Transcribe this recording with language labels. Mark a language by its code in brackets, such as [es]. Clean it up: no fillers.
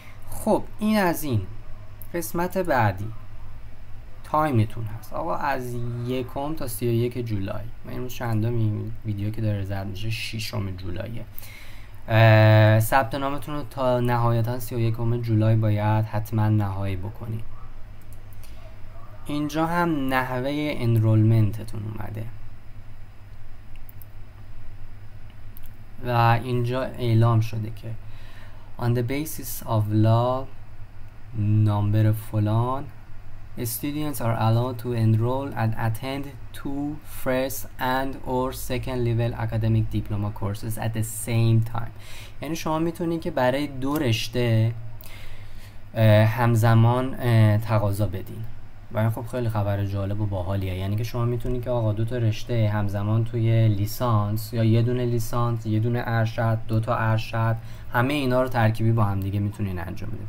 [fa] خب این از این. قسمت بعدی تایمتون هست، آقا از 1 تا 31 جولای، من امروز چندم این ویدیو که داره ضبط میشه 6 جولایه، ثبت نامتون رو تا نهایتا 31 جولای باید حتما نهایی بکنین. اینجا هم نحوه انرولمنتتون اومده و اینجا اعلام شده که [en] On the basis of law number فلان Students are allowed to enroll and attend 2 first and or second level academic diploma courses at the same time. [fa] یعنی شما میتونین که برای 2 رشته همزمان تقاضا بدین و این خب خیلی خبر جالب و باحالیه، یعنی که شما میتونی که آقا 2 تا رشته همزمان توی لیسانس یا یه دونه لیسانس، یه دونه ارشد، 2 تا ارشد، همه اینا رو ترکیبی با هم دیگه میتونین انجام بدین.